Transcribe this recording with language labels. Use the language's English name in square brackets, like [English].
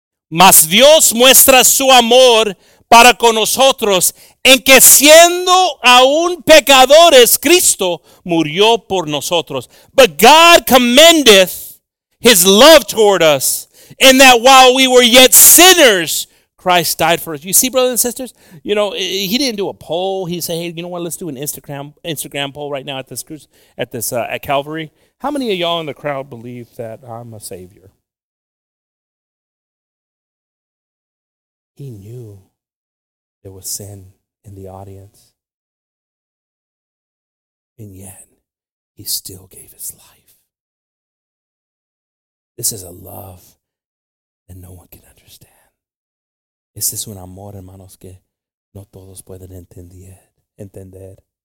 [Spanish] Mas Dios muestra su amor para con nosotros en que siendo aún pecadores, Cristo murió por nosotros. [English] But God commendeth his love toward us in that while we were yet sinners, Christ died for us. You see, brothers and sisters, you know, he didn't do a poll. He said, hey, you know what, let's do an Instagram poll right now at Calvary. How many of y'all in the crowd believe that I'm a savior? He knew there was sin in the audience. And yet, he still gave his life. This is a love that no one can understand. [Spanish] Este es un amor, hermanos, que no todos pueden entender.